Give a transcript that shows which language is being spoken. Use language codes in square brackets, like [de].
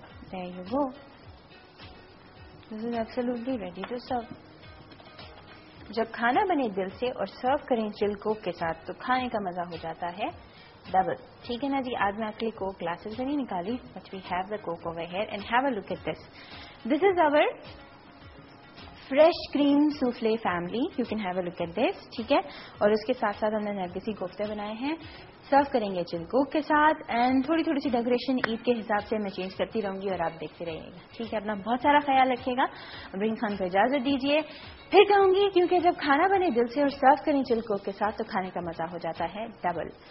[en] There you go, this is absolutely ready to serve. [ur] جب کھانا بنے دل سے اور سرو کریں چل کوک کے ساتھ تو کھانے کا مزہ ہو جاتا ہے ڈبل. ٹھیک ہے نا جی, آج میں آپ کے لیے کوک گلاسز بھی نہیں نکالی, [en] But we have the cook over here, and have a look at this. This is our fresh cream souffle family. You can have a look at this. [ur] ٹھیک ہے, اور اس کے ساتھ ساتھ ہم نے نرگسی کوفتے بنائے ہیں. سرو کریں گے چل کوک کے ساتھ, اینڈ تھوڑی تھوڑی سی ڈیکوریشن عید کے حساب سے میں چینج کرتی رہوں گی اور آپ دیکھتے رہیے گا. ٹھیک ہے, اپنا بہت سارا خیال رکھے گا. برنگ خان کو اجازت دیجیے, پھر کہوں گی, کیونکہ جب کھانا بنے دل سے اور سرو کریں چل کوک کے ساتھ تو کھانے کا مزہ ہو جاتا ہے ڈبل.